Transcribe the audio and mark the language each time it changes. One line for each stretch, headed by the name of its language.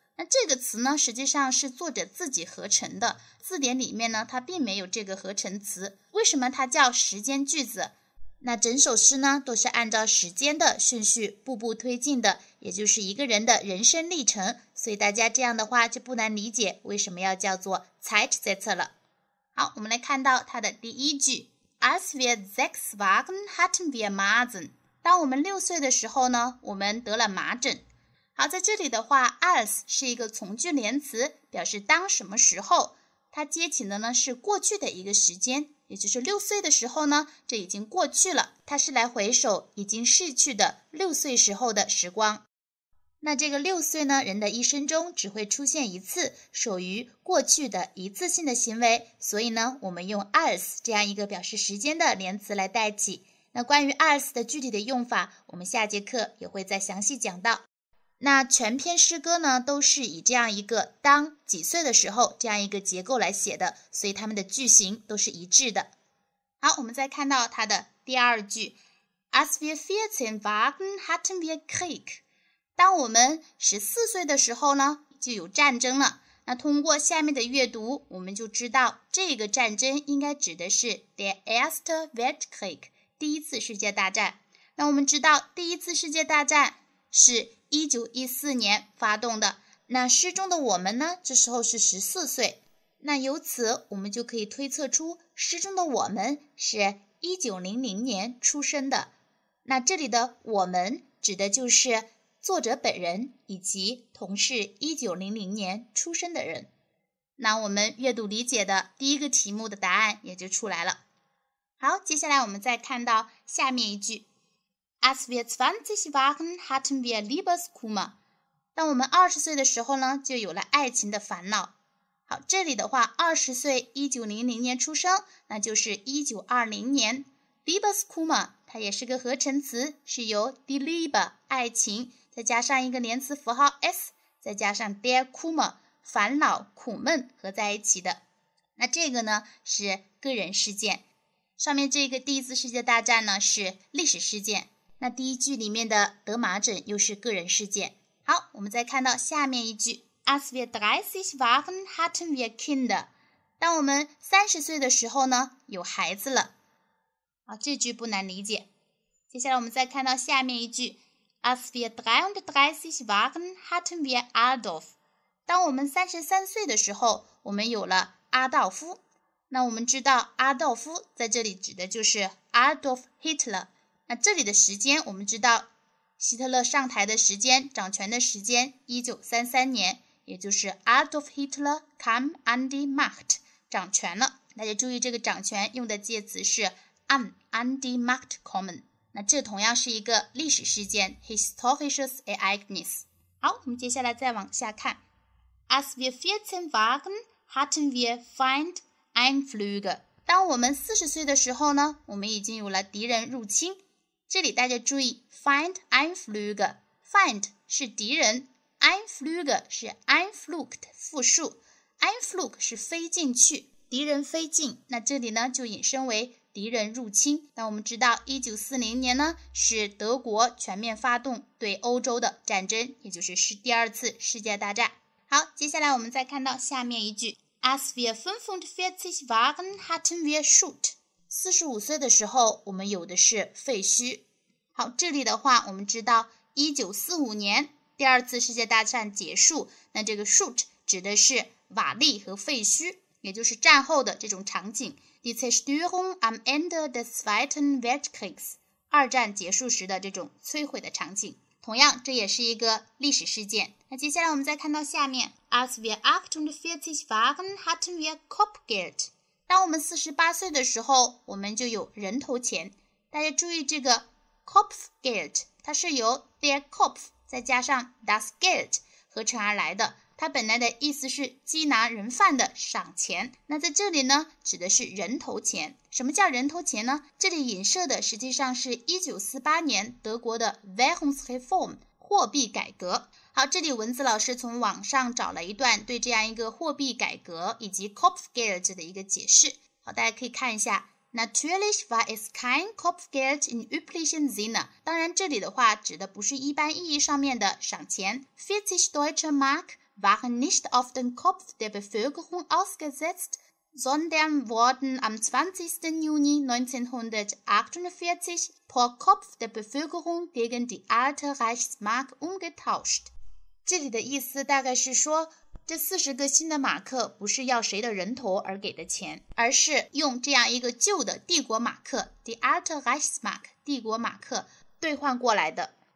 Chinese: 那这个词呢，实际上是作者自己合成的，字典里面呢，它并没有这个合成词。为什么它叫时间句子？那整首诗呢，都是按照时间的顺序步步推进的，也就是一个人的人生历程。所以大家这样的话就不难理解为什么要叫做 Zeitsätze 了。好，我们来看到它的第一句 ：
German: Als wir sechs waren, hatten wir Masern。
Chinese: 当我们六岁的时候呢，我们得了麻疹。好，在这里的话 ，als 是一个从句连词，表示当什么时候。它接起的呢是过去的一个时间，也就是六岁的时候呢，这已经过去了。它是来回首已经逝去的六岁时候的时光。那这个六岁呢，人的一生中只会出现一次，属于过去的一次性的行为。所以呢，我们用 als 这样一个表示时间的连词来代替。那关于 als 的具体的用法，我们下节课也会再详细讲到。那全篇诗歌呢，都是以这样一个当几岁的时候这样一个结构来写的，所以他们的句型都是一致的。好，我们再看到它的第二句 ，
German: As wir 14 waren hatten wir Krieg。
Chinese: 当我们14岁的时候呢，就有战争了。那通过下面的阅读，我们就知道这个战争应该指的是
German: der Erste Weltkrieg，
Chinese: 第一次世界大战。那我们知道第一次世界大战是1914年发动的，那诗中的我们呢，这时候是14岁。那由此我们就可以推测出诗中的我们是1900年出生的。那这里的我们指的就是作者本人以及同是1900年出生的人。那我们阅读理解的第一个题目的答案也就出来了。好，接下来我们再看到下面一句。
German: Als wir 20 waren, hatten wir Liebeskummer.
Chinese: 当我们20岁的时候呢，就有了爱情的烦恼。好，这里的话，20岁，1900年出生，那就是1920年。 Liebeskummer, 它也是个合成词，是由 die Liebe, 爱情，再加上一个连词符号 s, 再加上 der Kummer, 烦恼、苦闷合在一起的。那这个呢是个人事件。上面这个第一次世界大战呢是历史事件。那第一句里面的德麻疹又是个人事件。好，我们再看到下面一句。
German: Als wir 30 waren, hatten wir Kinder.
Chinese: 当我们30岁的时候呢有孩子了。好，这句不难理解。接下来我们再看到下面一句。
German: Als wir 33 waren, hatten wir Adolf.
Chinese: 当我们33岁的时候我们有了阿道夫。那我们知道阿道夫在这里指的就是 Adolf Hitler。那这里的时间我们知道希特勒上台的时间掌权的时间1933年也就是
German: Adolf Hitler kam an die Macht,
Chinese: 掌权了。大家注意这个掌权用的介词是
German: an die Macht kommen。
Chinese: 那这同样是一个历史事件
German: historisches Ereignis。
Chinese: 好，我们接下来再往下看。
German: Als wir 14 waren, hatten wir Feind Einflüge。
Chinese: 当我们40岁的时候呢我们已经有了敌人入侵。这里大家注意 Feind Einflüge。Feind 是敌人 ,Einflüge 是 Einflucht, 复数。 Einflug 是飞进去敌人飞进那这里呢就引申为敌人入侵。那我们知道1940年呢是德国全面发动对欧洲的战争也就是第二次世界大战。好接下来我们再看到下面一句。
German: Als wir 45 waren, hatten wir Schutt.
Chinese: 45岁的时候我们有的是废墟。好这里的话我们知道1945年第二次世界大战结束那这个 Schutt 指的是瓦砾和废墟也就是战后的这种场景。
German: Die Zerstörung am Ende des Zweiten Weltkriegs,
Chinese: 二战结束时的这种摧毁的场景。同样这也是一个历史事件。那接下来我们再看到下面。
German: Als wir 48 waren, hatten wir Kopfgeld.
Chinese: 当我们48岁的时候我们就有人头钱。大家注意这个 Kopfgeld, 它是由 der Kopf 再加上 das Geld 合成而来的。它本来的意思是缉拿人犯的赏钱。那在这里呢指的是人头钱。什么叫人头钱呢这里引射的实际上是1948年德国的 Währungsreform, 货币改革。好这里文字老师从网上找了一段对这样一个货币改革以及 Kopfgeld 的一个解释。好大家可以看一下。
German: Natürlich war es kein Kopfgeld in üblichen Sinne.
Chinese: 当然这里的话指的不是一般意义上面的赏钱。
German: 40 Deutsche Mark,waren nicht auf den Kopf der Bevölkerung ausgesetzt, sondern wurden am 20. Juni 1948 pro Kopf der Bevölkerung gegen die alte Reichsmark umgetauscht.
Chinese: 这里的意思大概是说，这40个新的马克不是要谁的人头而给的钱，而是用这样一个旧的帝国马克 ,die alte Reichsmark, 帝国马克兑换过来的。